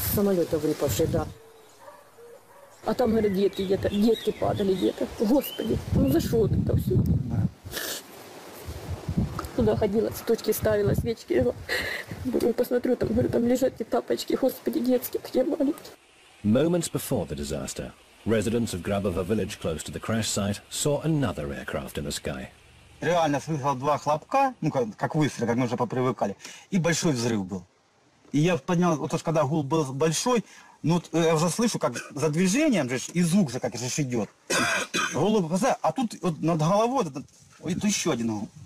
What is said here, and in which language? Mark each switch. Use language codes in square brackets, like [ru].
[ru] С самолета выпавший, да. А там, говорят, детки где-то, детки падали где-то. Господи, ну за что вот это все? Да. Туда ходила, цветочки ставила, свечки. Посмотрю, там, говорю, там лежат эти тапочки, господи, детские такие маленькие. [en] Moments before the disaster, residents of Grabova village close to the crash site saw another aircraft in the sky. [ru] Реально слышал два хлопка, ну как выстрел, как мы уже попривыкали, и большой взрыв был. И я поднял, вот то, когда гул был большой, ну я уже слышу, как за движением же, и звук же как же идет. Голову показаю, а тут вот над головой, вот еще один гул.